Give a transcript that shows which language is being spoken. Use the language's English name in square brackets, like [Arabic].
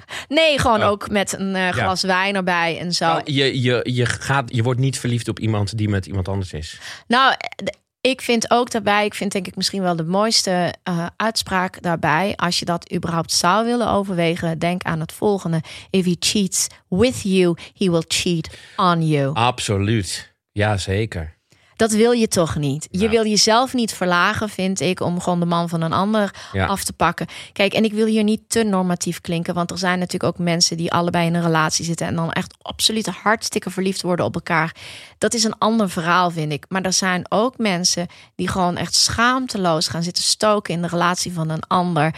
[Dutch] Nee, gewoon ook met een glas wijn erbij en zo. Je wordt niet verliefd op iemand die met iemand anders is. Nou, ik vind misschien wel de mooiste uitspraak daarbij. Als je dat überhaupt zou willen overwegen, denk aan het volgende. [English] If he cheats with you, he will cheat on you. [Dutch] Absoluut. Ja, zeker. Dat wil je toch niet. Ja. Je wil jezelf niet verlagen, vind ik, om gewoon de man van een ander af te pakken. Kijk, en ik wil hier niet te normatief klinken, want er zijn natuurlijk ook mensen die allebei in een relatie zitten en dan echt absoluut hartstikke verliefd worden op elkaar. Dat is een ander verhaal, vind ik. Maar er zijn ook mensen die gewoon echt schaamteloos gaan zitten stoken in de relatie van een ander.